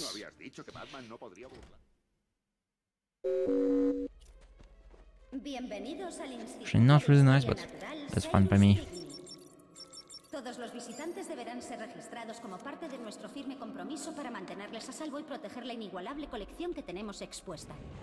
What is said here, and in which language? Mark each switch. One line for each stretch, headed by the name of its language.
Spanish: No habías dicho que Batman no podría burlar. Bienvenidos al instituto.
English: Not really nice, but that's fun by me.
Spanish: Todos los visitantes deberán ser registrados como parte de nuestro firme compromiso para mantenerles a salvo y proteger la inigualable colección que tenemos expuesta.